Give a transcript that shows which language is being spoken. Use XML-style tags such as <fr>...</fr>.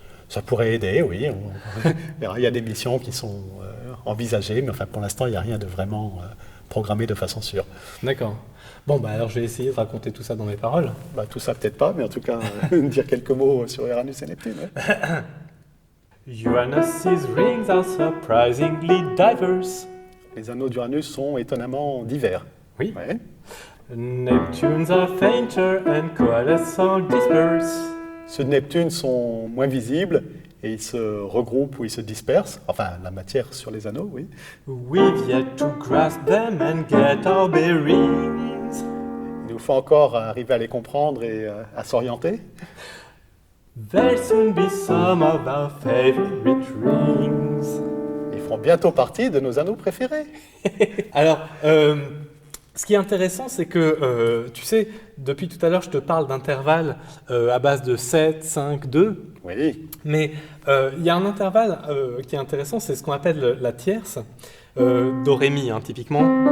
<fr>Ça pourrait aider, oui. Il y a des missions qui sont envisagées, mais enfin, pour l'instant, il n'y a rien de vraiment programmé de façon sûre. D'accord. Bon, bah, alors je vais essayer de raconter tout ça dans mes paroles. Bah, tout ça peut-être pas, mais en tout cas, dire quelques mots sur Uranus et Neptune.</fr> <en>Uranus's rings are surprisingly diverse.</en> <fr>Les anneaux d'Uranus sont étonnamment divers. Oui. Ouais.</fr> <en>Neptune's are fainter and coalescent disperse.</en> <fr>Ceux de Neptune sont moins visibles et ils se regroupent ou ils se dispersent. Enfin, la matière sur les anneaux, oui.</fr> <en>We've yet to grasp them and get our bearings.</en> <fr>Il nous faut encore arriver à les comprendre et à s'orienter.</fr> <en>There'll soon be some of our favorite rings.</en> <fr>Ils feront bientôt partie de nos anneaux préférés. Alors, ce qui est intéressant, c'est que, tu sais, depuis tout à l'heure, je te parle d'intervalles à base de 7, 5, 2. Oui. Mais il y a un intervalle qui est intéressant, c'est ce qu'on appelle la tierce, do, ré, mi, hein, typiquement.</fr>